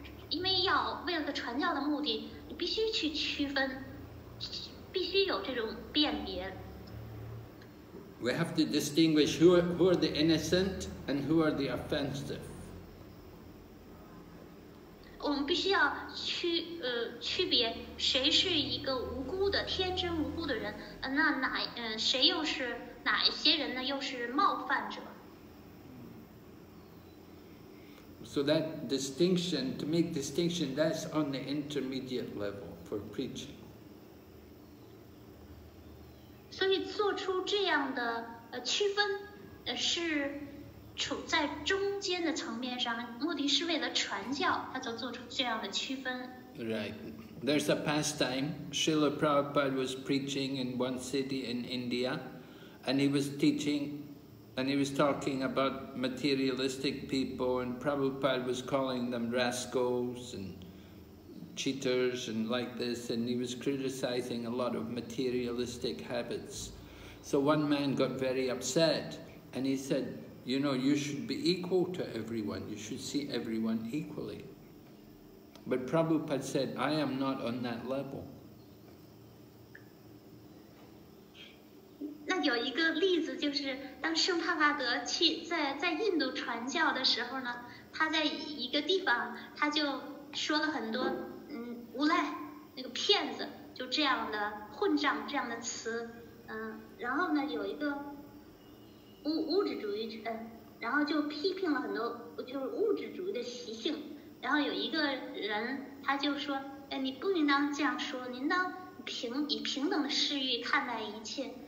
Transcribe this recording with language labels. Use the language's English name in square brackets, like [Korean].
[Chinese] 因为为了传教的目的，你必须去区分，必须有这种辨别。 [English] We have to distinguish who are the innocent and who are the offensive. [Chinese] 我们必须要区别谁是一个无辜的天真无辜的人，谁又是哪些人呢？又是冒犯者。 [English] So that distinction, to make distinction, that's on the intermediate level for preaching. [Chinese] 所以做出这样的区分，是处在中间的层面上，目的是为了传教，他就做出这样的区分。 [English] Right. There's a pastime. Srila Prabhupada was preaching in one city in India, and he was teaching, and he was talking about materialistic people, and Prabhupada was calling them rascals and cheaters and like this, and he was criticizing a lot of materialistic habits. So one man got very upset, and he said, you know, you should be equal to everyone. You should see everyone equally.But Prabhupada said, I am not on that level. [Chinese] 有一个例子，就是当圣帕帕德去在印度传教的时候呢，他在一个地方他就说了很多无赖那个骗子就这样的混账这样的词，然后呢有一个物质主义者，然后就批评了很多就是物质主义的习性，然后有一个人他就说，哎，你不应当这样说，你应当以平等的视域看待一切。